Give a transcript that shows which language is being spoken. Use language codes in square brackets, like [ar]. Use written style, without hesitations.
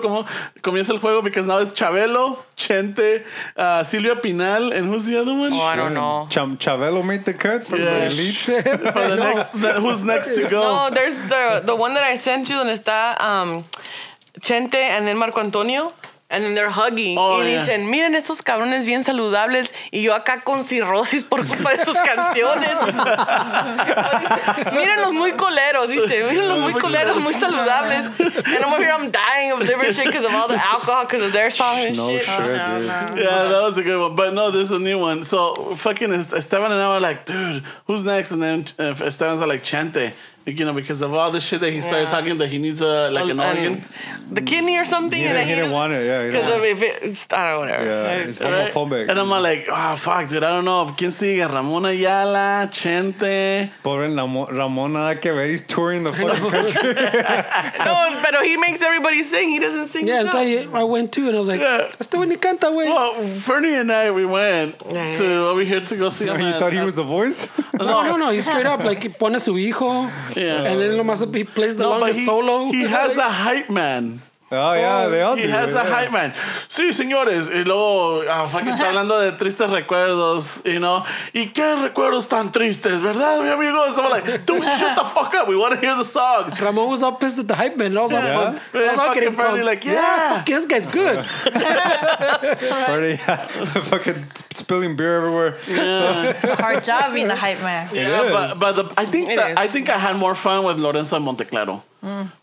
[es] Como comienza el juego, [en] because now it's Chabelo, Chente, Silvia Pinal, and who's the other one? Oh, I don't know. Chabelo made the cut from the elite. For the next, who's next to go? No, there's the one that I sent you, and está Chente, and then Marco Antonio. And then they're hugging. [es] Oh, y dicen, yeah, miren estos cabrones bien saludables. Y yo acá con cirrosis por culpa de sus canciones. Miren los muy coleros, dice. Miren los muy coleros, muy saludables. [en] And I'm over here, I'm dying of liver shit because of all the alcohol, because of their song and no shit. Sure, oh, yeah, that was a good one. But no, there's a new one. So fucking Esteban and I were like, dude, who's next? And then Esteban's like, Chente. You know, because of all the shit that he started talking, that he needs like an organ, the kidney or something. Yeah, and he didn't want it. Yeah, because if it, I don't know, whatever. Yeah, it's homophobic. And I'm like, oh fuck, dude, I don't know. [es] ¿Quién sigue? Ramón Ayala, Chente. Pobre Ramón, nada que ver. [en] He's touring the fucking country. No, but he makes everybody sing. He doesn't sing. Yeah, I'll tell you, I went too, and I was like, [es] "Este güey ni canta, güey." [en] Well, Fernie and I, we went to over here to go see him. You thought he was the voice? No, he's straight up like [es] pone su hijo. [en] Yeah. And then he plays the longest solo. He has a hype man. Oh, yeah, they all do. He has a hype man. [es] Sí, señores. Y luego, fucking está hablando de tristes recuerdos, [en] you know. [es] ¿Y qué recuerdos tan tristes, verdad, mi amigo? [en] So I'm like, dude, shut the fuck up. We want to hear the song. Ramón was all pissed at the hype man. I was like, fucking Freddy, like, fuck, this guy's good. Freddy, fucking spilling beer everywhere. Yeah. It's a hard job being the hype man. Yeah, but I think I had more fun with Lorenzo and Monteclaro.